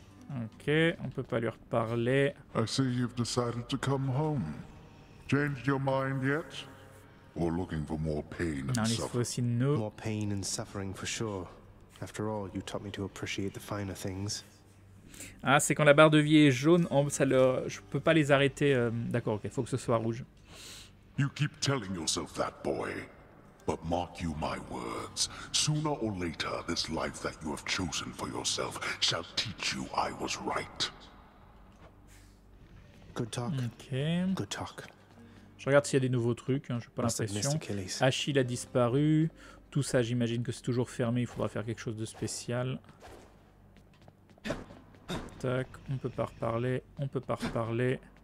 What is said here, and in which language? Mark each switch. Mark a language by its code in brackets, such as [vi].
[fr] Ok, on peut pas lui reparler. [en] I see you've decided to come home. Changed your mind yet? Or looking for more pain and suffering? [fr] Non, il faut aussi nous. [en] More pain and suffering for sure. After all, you taught me to appreciate the finer things. [fr] Ah, c'est quand la barre de vie est jaune, oh, ça le... je peux pas les arrêter. D'accord, ok, faut que ce soit rouge. [en] You keep telling yourself that, boy. But mark you my words, sooner or later, this life that you have chosen for yourself shall teach you I was right. Good talk. Okay. Good talk. [fr] Je regarde s'il y a des nouveaux trucs, hein, j'ai pas l'impression. Achille a disparu. Tout ça, j'imagine que c'est toujours fermé, il faudra faire quelque chose de spécial. Tac, on peut pas reparler, on peut pas reparler.